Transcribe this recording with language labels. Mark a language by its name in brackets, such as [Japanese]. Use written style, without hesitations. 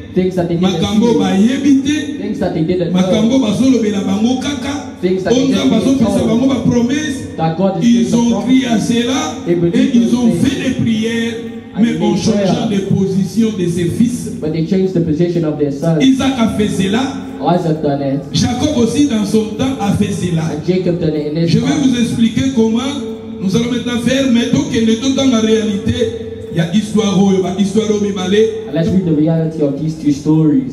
[English] Things that they didn't see. Things that they didn't know. Things that they didn't see. That God is doing the promise. They believe those things. But they changed the position of their sons. Isaac has done it. Isaac done it. [French] Jacob aussi dans son temps a fait cela. [English] And Jacob done it in his [French] Je vais vous expliquer comment nous allons maintenant faire, mais tout qui est tout dans la réalité, il y a histoire au Mimale. [English] Let's read the reality of these two stories.